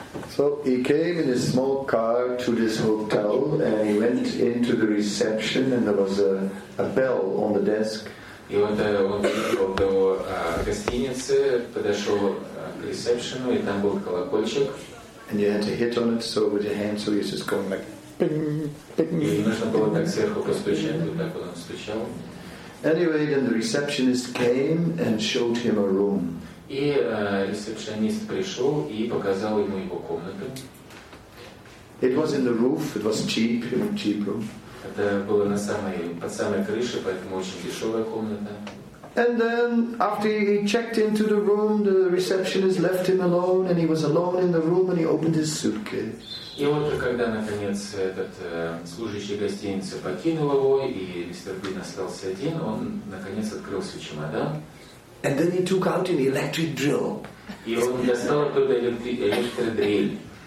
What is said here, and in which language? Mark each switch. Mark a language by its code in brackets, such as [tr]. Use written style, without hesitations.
[en] So he came in a small car to this hotel, and he went into the reception, and there was a bell on the desk. [ru] И вот он приехал до гостиницы, подошел к ресепшену, и там был колокольчик. [en] And you had to hit on it, so with your hand, so he's just going like ping, ping. [ru] И нужно было так сверху постучать, вот так он стучал. [en] Anyway, then the receptionist came and showed him a room. [ru] И ресепшенист пришел и показал ему его комнату. [en] It was in the roof. It was cheap, a cheap room. [ru] Это было на самой, под самой крышей, поэтому очень дешевая комната. [en] And then after he checked into the room, the receptionist left him alone, and he was alone in the room, and he opened his suitcase. [ru] И вот когда наконец этот служащий гостиницы покинул его, и мистер Бин остался один, он наконец открыл свой чемодан. [en] And then he took out an electric drill. [ru] И он достал оттуда электродрель.